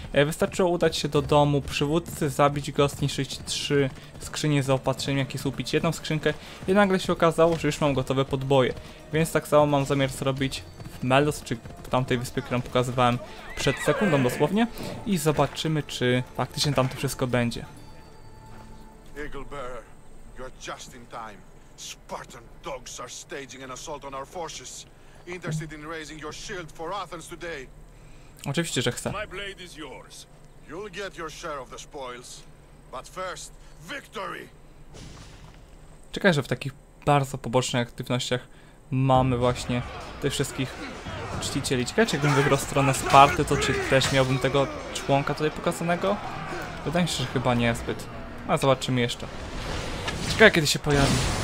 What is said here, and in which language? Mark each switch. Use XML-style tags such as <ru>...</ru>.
<pl>Wystarczyło udać się do domu przywódcy, zabić go, zniszczyć trzy skrzynie zaopatrzeniem, jak i słupić jedną skrzynkę, i nagle się okazało, że już mam gotowe podboje. Więc tak samo mam zamiar zrobić w Melos, czy w tamtej wyspie, którą pokazywałem przed sekundą dosłownie, i zobaczymy, czy faktycznie tam to wszystko będzie.</pl> <en>Eaglebearer, you're just in time. Spartan dogs are staging an assault on our forces. Interested in raising your shield for Athens today?</en> <pl>Oczywiście, że chcę.</pl> <en>My blade is yours. You'll get your share of the spoils. But first, victory!</en> <pl>Czekaj, że w takich bardzo pobocznych aktywnościach mamy właśnie tych wszystkich czcicieli. Ciekawe, czy jakbym wybrał stronę Sparty, to czy też miałbym tego członka tutaj pokazanego? Wydaje mi się, że chyba niezbyt. A zobaczymy jeszcze. Czekaj, kiedy się pojawi.</pl>